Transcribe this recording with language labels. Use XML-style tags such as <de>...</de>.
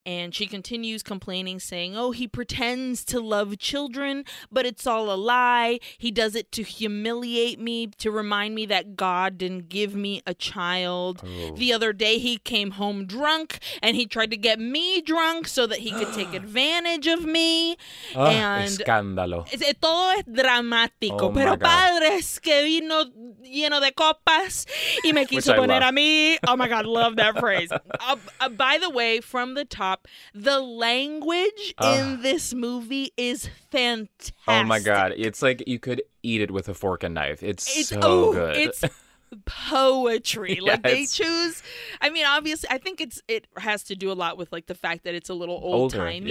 <en>And she continues complaining, saying, oh, he pretends to love children, but it's all a lie. He does it to humiliate me, to remind me that God didn't give me a child. Oh. The other day he came home drunk and he tried to get me drunk so that he could take advantage of me. Oh, and</en> <es>escándalo. Todo es dramático. Oh, pero padre, que vino lleno de copas y me quiso poner a mí.</es> <en>Oh my God, love that phrase. By the way, from the top, the language in this movie is fantastic. Oh my God, it's like you could eat it with a fork and knife. It's so good. It's poetry. Yes. Like they choose. I mean, obviously, I think it has to do a lot with like the fact that it's a little old-timey,</en>